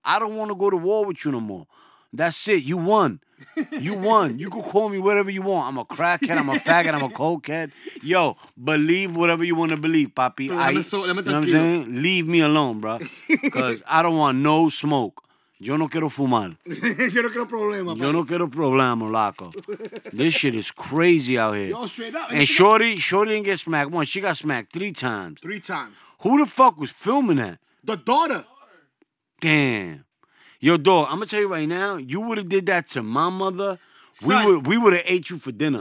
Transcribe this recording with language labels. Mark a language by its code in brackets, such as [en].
[en] I don't want to go to war with you no more. That's it. You won. You won. You can call me whatever you want. I'm a crackhead. I'm a faggot. I'm a cokehead. Yo, believe whatever you want to believe, papi. Let me tell you what I'm saying? Leave me alone, bro. Because I don't want no smoke. [es] Yo no quiero fumar. Yo no quiero problema, bro. Yo no quiero problema, loco. [en] This shit is crazy out here. Yo, straight up. And Shorty didn't get smacked once. She got smacked three times. Three times. Who the fuck was filming that? The daughter. Damn. Yo, dog, I'm going to tell you right now, you would have did that to my mother, son, we would have ate you for dinner.